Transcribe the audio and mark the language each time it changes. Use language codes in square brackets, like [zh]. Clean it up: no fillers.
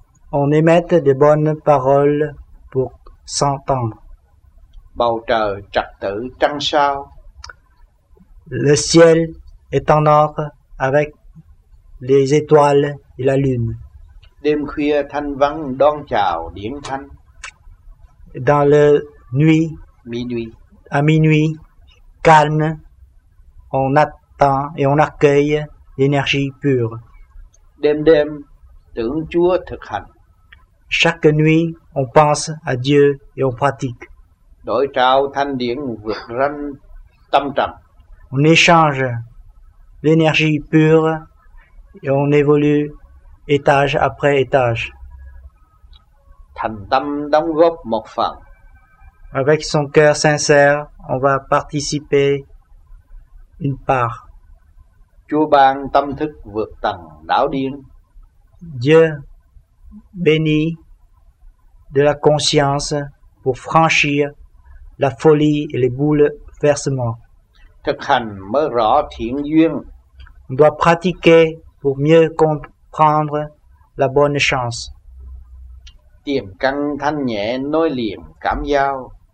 [fr] On émet de bonnes paroles pour s'entendre. [vi] Bầu trời trật tự trăng sao. [fr] Le ciel est en ordre avec les étoiles et la lune. [vi] Đêm khuya thanh vắng đón chào điển thanh. [fr] Dans la nuit, minuit. À minuit, calme, on attend et on accueille l'énergie pure. [vi] Đêm đêm, tưởng Chúa thực hành. [fr] Chaque nuit, on pense à Dieu et on pratique. [vi] Đổi trao thanh điển vượt ranh tâm trầm. [fr] On échange l'énergie pure et on évolue étage après étage. [vi] Thành tâm đóng góp một phần. [fr] Avec son cœur sincère, on va participer une part. [vi] Chúa ban tâm thức vượt tầng đảo điên. [fr] Dieu bénit de la conscience pour franchir la folie et les bouleversements. [vi] Thực hành mới rõ thiện duyên. [fr] On doit pratiquer pour mieux comprendre la bonne chance. [vi] Tiềm căn thanh nhẹ nối liền cảm giao.